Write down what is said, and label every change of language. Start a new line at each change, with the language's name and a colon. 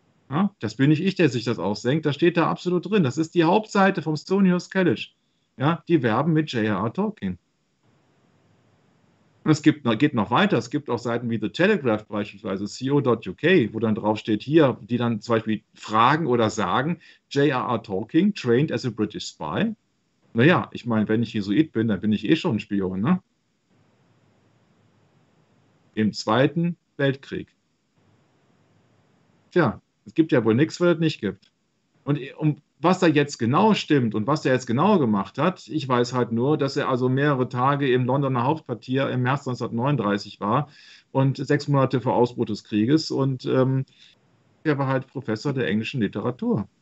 German: Ja, das bin nicht ich, der sich das ausdenkt. Das steht da absolut drin. Das ist die Hauptseite vom Stonyhurst College. Ja, die werben mit J.R.R. Tolkien. Es geht noch weiter. Es gibt auch Seiten wie The Telegraph beispielsweise, co.uk, wo dann draufsteht hier, die dann zum Beispiel fragen oder sagen, J.R.R.
English: Tolkien trained as a British spy.
German: Naja, ich meine, wenn ich Jesuit bin, dann bin ich eh schon ein Spion, ne? Im Zweiten Weltkrieg. Tja, es gibt ja wohl nichts, was es nicht gibt. Und was da jetzt genau stimmt und was der jetzt genau gemacht hat, ich weiß halt nur, dass er also mehrere Tage im Londoner Hauptquartier im März 1939 war und 6 Monate vor Ausbruch des Krieges und er war halt Professor der englischen Literatur.